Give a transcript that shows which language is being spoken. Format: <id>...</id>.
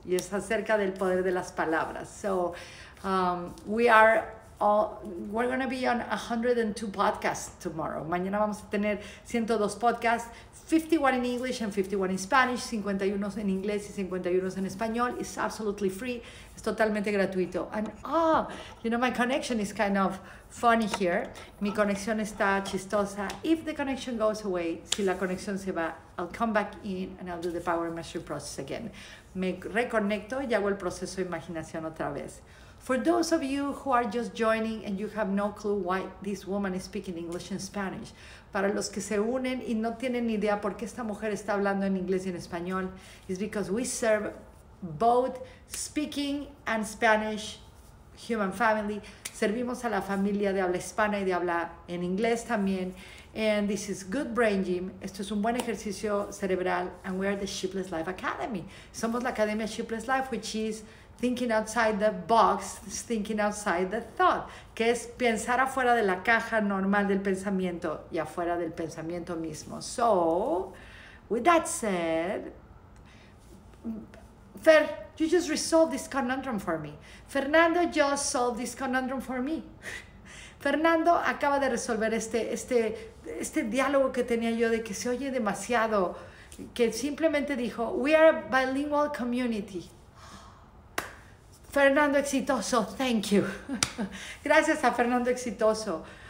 <es>Y es acerca del poder de las palabras.</es> <en>So, we're going to be on 102 podcasts tomorrow.</en> <es>Mañana vamos a tener 102 podcasts,</es> <en>51 in English and 51 in Spanish,</en> <es>51 en inglés y 51 en español.</es> <en>It's absolutely free.</en> <es>Es totalmente gratuito.</es> <en>And, you know, my connection is kind of funny here.</en> <es>Mi conexión está chistosa.</es> <en>If the connection goes away,</en> <es>si la conexión se va,</es> <en>I'll come back in and I'll do the power mastery process again.</en> <es>Me reconecto y hago el proceso de imaginación otra vez.</es> <en>For those of you who are just joining and you have no clue why this woman is speaking English and Spanish,</en> <es>para los que se unen y no tienen ni idea por qué esta mujer está hablando en inglés y en español,</es> <en>it's because we serve both speaking and Spanish human family.</en> <es>Servimos a la familia de habla hispana y de habla en inglés también.</es> <en>And this is good brain gym.</en> <es>Esto es un buen ejercicio cerebral.</es> <en>And we are the Sheepless Life Academy.</en> <es>Somos la Academia Sheepless Life,</es> <en>which is thinking outside the box, thinking outside the thought,</en> <es>que es pensar afuera de la caja normal del pensamiento y afuera del pensamiento mismo.</es> <en>So, with that said, Fer, you just resolved this conundrum for me. Fernando just solved this conundrum for me.</en> <es>Fernando acaba de resolver este diálogo que tenía yo de que se oye demasiado, que simplemente dijo,</es> <en>we are a bilingual community. Fernando Exitoso, thank you.</en> <es>Gracias a Fernando Exitoso.</es>